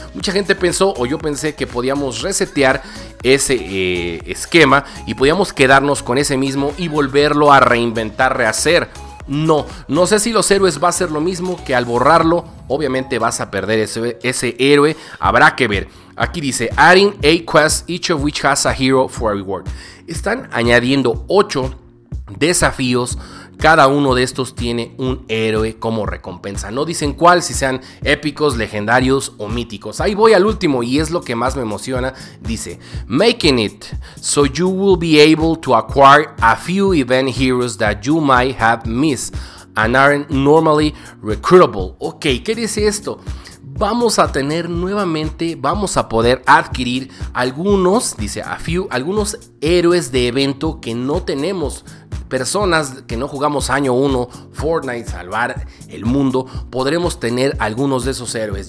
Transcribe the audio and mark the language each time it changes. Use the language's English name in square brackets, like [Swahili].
[Spanish] Mucha gente pensó, o yo pensé, que podíamos resetear ese esquema y podíamos quedarnos con ese mismo y volverlo a reinventar, rehacer. No sé si los héroes va a ser lo mismo, que al borrarlo obviamente vas a perder ese héroe. Habrá que ver. Aquí dice [English] adding 8 quests, each of which has a hero for a reward. [Spanish] Están añadiendo 8 desafíos. Cada uno de estos tiene un héroe como recompensa. No dicen cuál, si sean épicos, legendarios o míticos. Ahí voy al último y es lo que más me emociona. [English] Dice, making it so you will be able to acquire a few event heroes that you might have missed and aren't normally recruitable. [Spanish] Ok, ¿qué dice esto? Vamos a poder adquirir algunos, dice a few, algunos héroes de evento que no tenemos. Personas que no jugamos año 1 Fortnite, salvar el mundo, podremos tener algunos de esos héroes.